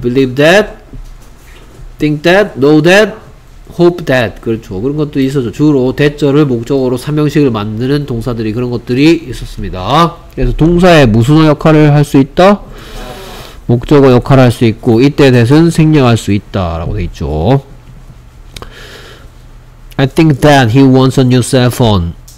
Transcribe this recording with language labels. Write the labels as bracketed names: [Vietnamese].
[English] Believe that, think that, know that, hope that. [Korean] 그렇죠. 그런 것도 있었죠. 주로 대절을 목적으로 삼형식을 만드는 동사들이 그런 것들이 있었습니다. 그래서 동사의 무슨 역할을 할 수 있다? 목적어 역할을 할 수 있고 이때 대신 생략할 수 있다 라고 돼 있죠. [English] I think that he wants a new cell phone.